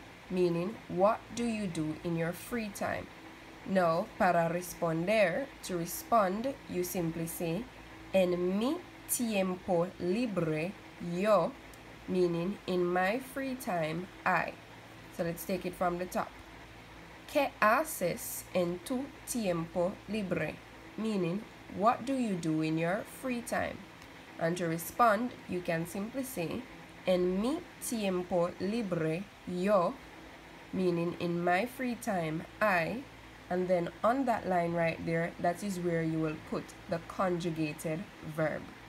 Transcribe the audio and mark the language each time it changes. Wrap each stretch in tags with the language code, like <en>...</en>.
<en>Meaning, what do you do in your free time? Now,</en> <es>para responder,</es> <en>to respond, you simply say,</en> <es>En mi tiempo libre, yo,</es> <en>meaning, in my free time, I. So let's take it from the top.</en> <es>¿Qué haces en tu tiempo libre?</es> <en>Meaning, what do you do in your free time? And to respond, you can simply say,</en> <es>En mi tiempo libre, yo,</es> <en>meaning in my free time, I, and then on that line right there, that is where you will put the conjugated verb.</en>